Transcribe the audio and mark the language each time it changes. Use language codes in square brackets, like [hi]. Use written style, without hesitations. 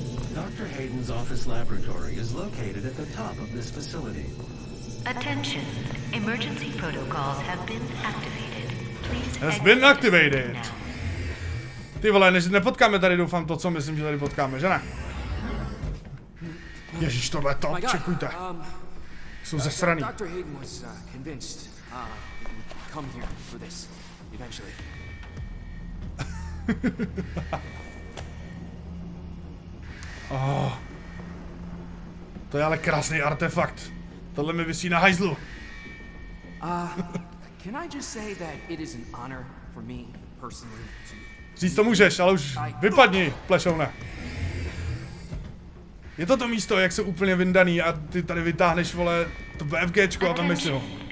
[en] Dr. Hayden's office laboratory is located at the top of this facility. Attention. Emergency protocols have been activated. Please has been activated. [cs] Ty vole, než nepotkáme tady, doufám to, co myslím, že tady potkáme, že ne? Ježíš, tohle to, čekujte. Jsou zesraný. Dr. [en] Hayden was convinced that we could come here for this eventually. [cs] Oh, to je ale krásný artefakt. Tohle mi visí na hajzlu. [en] Can I just say that it is an honor for me personally to... [cs] Říct to můžeš, ale už vypadni, plešovna. Je to to místo, jak jsou úplně vyndaný a ty tady vytáhneš, vole, to BFGčko a tam myslí ho.